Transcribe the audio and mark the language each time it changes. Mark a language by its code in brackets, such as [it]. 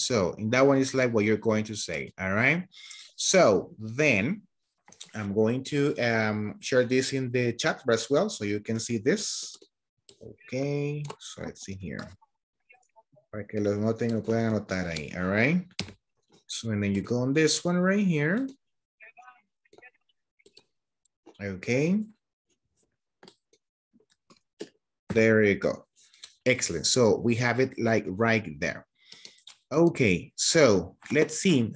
[en] So in that one is like what you're going to say, all right? So then I'm going to share this in the chat as well so you can see this. Okay, so let's see here. [es] Para que los noten lo puedan anotar ahí, [en] all right? So and then you go on this one right here. Okay. There you go. Excellent. So we have it like right there. Okay. So let's see.